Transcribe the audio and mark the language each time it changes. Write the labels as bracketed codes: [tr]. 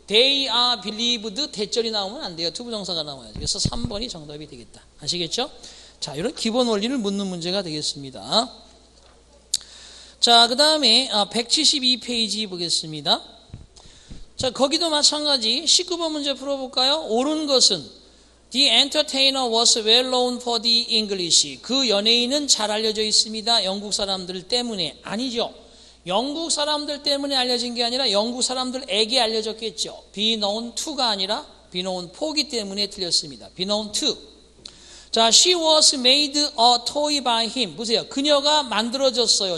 [en] They are believed, [ko] 대절이 나오면 안 돼요. to 부정사가 나와야죠. 그래서 3번이 정답이 되겠다. 아시겠죠? 자, 이런 기본 원리를 묻는 문제가 되겠습니다. 자, 그 다음에 172페이지 보겠습니다. 자, 거기도 마찬가지 19번 문제 풀어볼까요? 옳은 것은 [en] The entertainer was well known for the English. [ko] 그 연예인은 잘 알려져 있습니다. 영국 사람들 때문에. 아니죠. 영국 사람들 때문에 알려진 게 아니라 영국 사람들에게 알려졌겠죠. Be known to가 아니라 be known for기 때문에 틀렸습니다. [en] Be known to. 자, she was made a toy by him. [ko] 보세요. 그녀가 만들어졌어요.